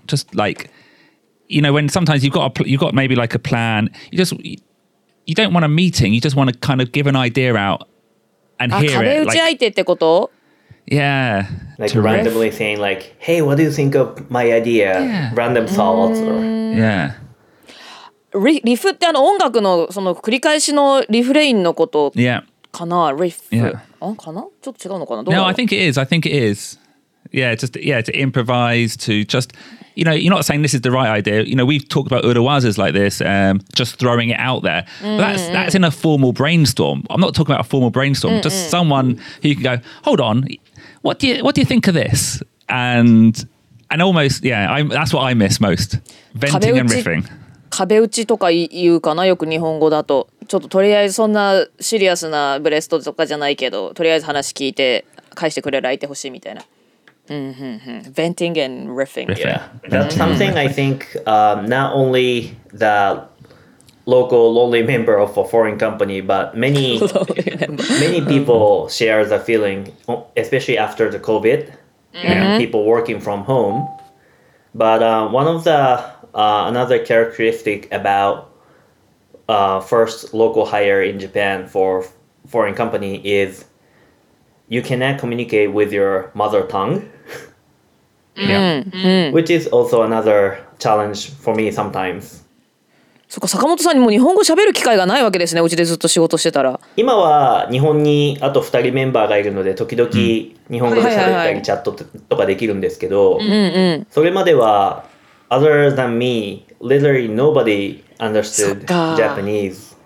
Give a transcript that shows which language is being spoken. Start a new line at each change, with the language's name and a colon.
English: Just like you know when sometimes you've got maybe like a plan. You don't want a meeting. You just want to kind of give an idea out and hear it.
Japanese: 壁打ち相手ってこと?
English: Like,yeah. Like randomly riff? Saying like, hey, what do you think of my idea? Yeah. Random thoughts or... Yeah.
Japanese: Riff ってあの音楽のその繰り返しのリフレインのことかな?
English: Yeah. Riff. Yeah.
Japanese: かな? ちょっと違うのかな?
English: No, I think it is. Yeah, just yeah, to improvise, to just, you know, you're not saying this is the right idea. You know, we've talked about urawazas like this, just throwing it out there. Mm-hmm. That's in a formal brainstorm. I'm not talking about a formal brainstorm, mm-hmm. just someone who you can go, hold on, what do you think of this? And almost, yeah, that's what I miss most. Venting and riffing.
Japanese: 壁打ちとか言うかな、よく日本語だと。ちょっととりあえずそんなシリアスなブレストとかじゃないけど、とりあえず話聞いて返してくれる相手欲しいみたいな。
English: Venting and riffing. Yeah, that's something I think not only the local lonely member of a foreign company, but many people share the feeling, especially after the COVID, and people working from home. But one of the another characteristic about first local hire in Japan for foreign company is you cannot communicate with your mother tongue. Yeah. Mm-hmm. Which is also another challenge for me sometimes.
Japanese: そっか、坂本さんにも日本語喋る機会がないわけですね、うちでずっと仕事してたら。今は日本にあと2人メンバーがいるので、時々日本語で喋ったり、はいはいはい、チャットとかできるんですけど、 mm-hmm. それまでは、
English: other than me, literally nobody understood Japanese.、